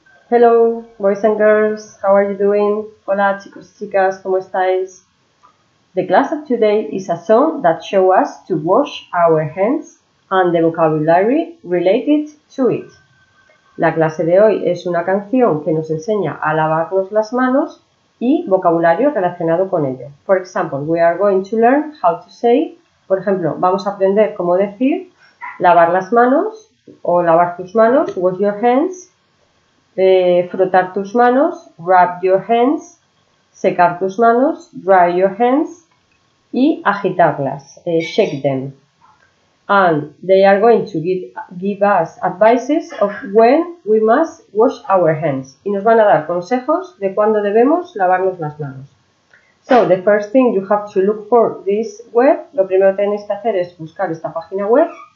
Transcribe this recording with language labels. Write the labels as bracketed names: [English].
[English] Hello, boys and girls, how are you doing? [Spanish] Hola, chicos y chicas, ¿cómo estáis? [English] The class of today is a song that shows us to wash our hands and the vocabulary related to it. [Spanish] La clase de hoy es una canción que nos enseña a lavarnos las manos y vocabulario relacionado con ello. [English] For example, we are going to learn how to say, [Spanish] por ejemplo, vamos a aprender cómo decir lavar las manos o lavar tus manos, [English] wash your hands, [Spanish] frotar tus manos, [English] rub your hands, [Spanish] secar tus manos, [English] dry your hands [Spanish] y agitarlas, [English] shake them. And they are going to give us advices of when we must wash our hands. [Spanish] Y nos van a dar consejos de cuándo debemos lavarnos las manos. [English] So, the first thing you have to look for this web. [Spanish] Lo primero que tenéis que hacer es buscar esta página web.